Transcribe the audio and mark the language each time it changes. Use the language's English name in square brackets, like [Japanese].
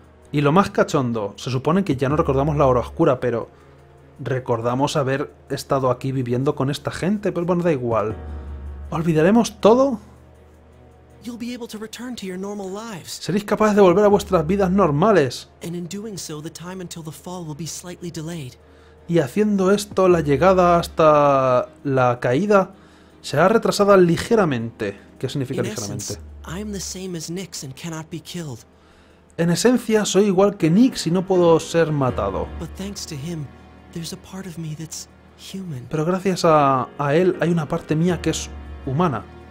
[Spanish] Y lo más cachondo, se supone que ya no recordamos la hora oscura, pero recordamos haber estado aquí viviendo con esta gente, pero bueno, da igual. ¿Olvidaremos todo? [English] You'll be able to return to your normal lives. [Spanish] Seréis capaces de volver a vuestras vidas normales. [English] And in doing so, the time until the fall will be slightly delayed. [Spanish] Y haciendo esto, la llegada hasta la caída será retrasada ligeramente. ¿Qué significa ligeramente? [English] I am the same as Nix and cannot be killed. [Spanish] En esencia, soy igual que Nix y no puedo ser matado. Pero gracias a él, hay una parte mía que es humana.